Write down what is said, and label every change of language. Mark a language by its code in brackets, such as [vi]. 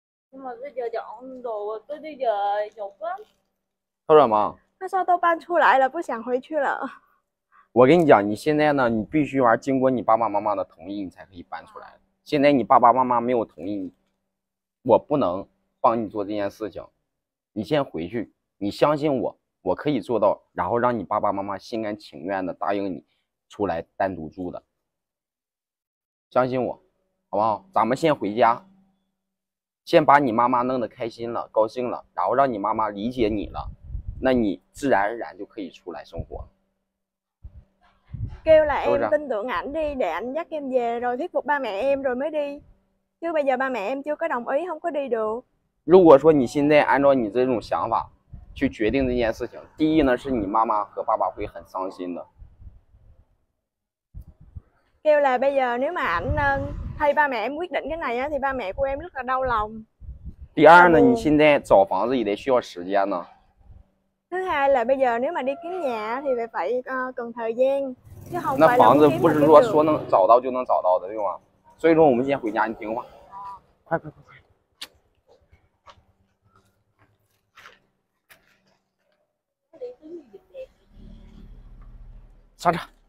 [vi] Nhưng mà bây giờ chọn đồ, cứ bây giờ chọn lắm. [zh] 说什么？他说都搬出来了，不想回去了。我跟你讲，你现在呢，你必须玩经过你爸爸妈妈的同意，你才可以搬出来。现在你爸爸妈妈没有同意，我不能帮你做这件事情。你先回去，你相信我，我可以做到，然后让你爸爸妈妈心甘情愿的答应你出来单独住的。相信我，好不好？咱们先回家，先把你妈妈弄得开心了，高兴了，然后让你妈妈理解你了，那你自然而然就可以出来生活了。 [vi] Kêu là em tin tưởng ảnh đi, để ảnh dắt em về rồi thuyết phục ba mẹ em rồi mới đi. Chứ bây giờ ba mẹ em chưa có đồng ý, không có đi được. [zh] 如果说你现在按照你这种想法去决定这件事情，第一呢是你妈妈和爸爸会很伤心的。 [vi] Kêu là bây giờ nếu mà ảnh thay ba mẹ em quyết định cái này thì ba mẹ của em rất là đau lòng. [zh] 第二呢，你现在找房子也得需要时间呢。 [vi] Thứ hai là bây giờ nếu mà đi kiếm nhà thì phải cần thời gian. [zh] 那房子不是说说能找到就能找到的，对吗？所以说我们先回家，你听话，快快快快。上车。